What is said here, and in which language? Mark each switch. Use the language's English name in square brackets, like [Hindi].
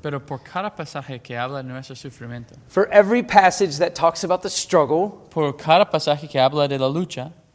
[Spanish] Pero por cada pasaje que habla de nuestro sufrimiento. [English] For every passage that talks about the struggle. [Spanish] Por cada pasaje que habla de la lucha.